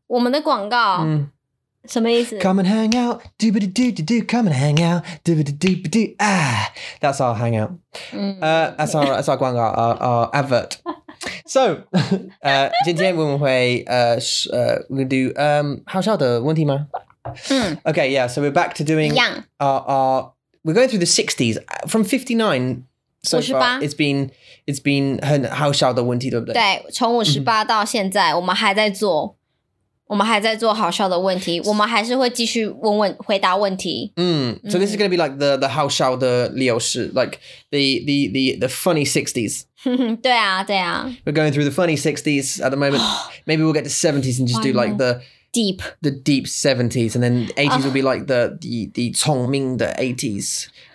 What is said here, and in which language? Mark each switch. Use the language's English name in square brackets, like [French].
[Chinese] 我们的广告，嗯，什么意思？ [English] Come and hang out, do ba do do do do. Come and hang out, do ba do do ba do. Ah, that's our hangout. That's our广告, our advert. So, [Chinese] 今天我们会 [English] we'll do [Chinese] 好笑的问题吗？嗯。 [English] Okay, yeah. So we're back to doing our we're going through the '60s from 59. So far, it's been [Chinese] 很好笑的问题，对不对？对，从58到现在，我们还在做，我们还在做好笑的问题，我们还是会继续回答问题。 [English] So this is going to be like the [Chinese] 好笑的理由是 [English] like the funny 60s. [Chinese] 对啊，对啊。 [English] We're going through the funny 60s at the moment. Maybe we'll get to 70s and just do like the deep 70s, and then 80s will be like the [Chinese] 聪明的 [English] 80s.